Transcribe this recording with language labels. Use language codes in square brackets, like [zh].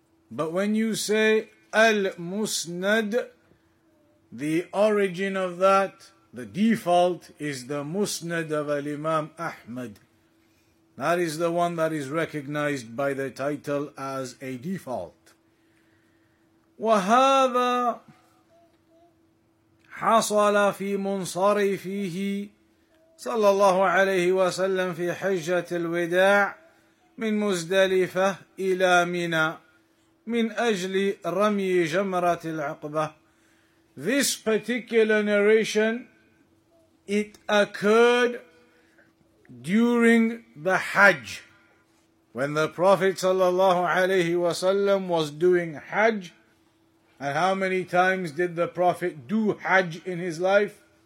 [en] But when you say Al-Musnad, the origin of that, the default, is the Musnad of Al-Imam Ahmad. That is the one that is recognized by the title as a default. [ar] وهذا حصل في منصرفه صلى الله عليه وسلم في حجة الوداع من مزدلفة إلى منى من أجل رمي جمرة العقبة. [en] This particular narration, it occurred during the Hajj, when the Prophet [ar] صلى الله عليه وسلم [en] was doing Hajj. And how many times did the Prophet do Hajj in his life?